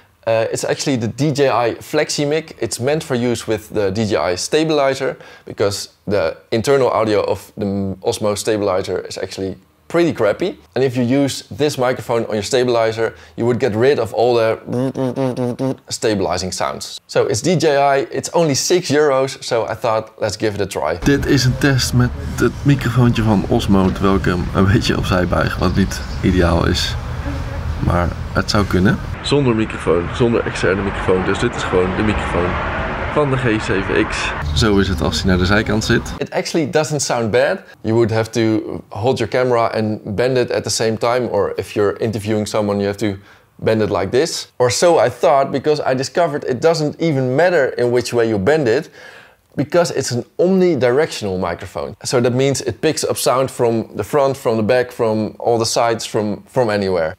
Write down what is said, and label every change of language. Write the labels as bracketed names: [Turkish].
[English] It's actually the DJI FlexiMic. It's meant for use with the DJI Stabilizer because the internal audio of the Osmo Stabilizer is actually pretty crappy. And if you use this microphone on your stabilizer, you would get rid of all the stabilizing sounds. So it's DJI, it's only 6 euros, so I thought, let's give it a try. [Dutch] Dit is een test met het microfoontje van Osmo, terwijl ik hem een beetje opzij buig, wat niet ideaal is. Maar het zou kunnen. Zonder microfoon, zonder externe microfoon, dus dit is gewoon de microfoon van de G7X. Zo is het als hij naar de zijkant zit. [English] It actually doesn't sound bad. You would have to hold your camera and bend it at the same time. Or if you're interviewing someone, you have to bend it like this. Or so I thought, because I discovered it doesn't even matter in which way you bend it. Because it's an omnidirectional microphone. So that means it picks up sound from the front, from the back, from all the sides, from anywhere.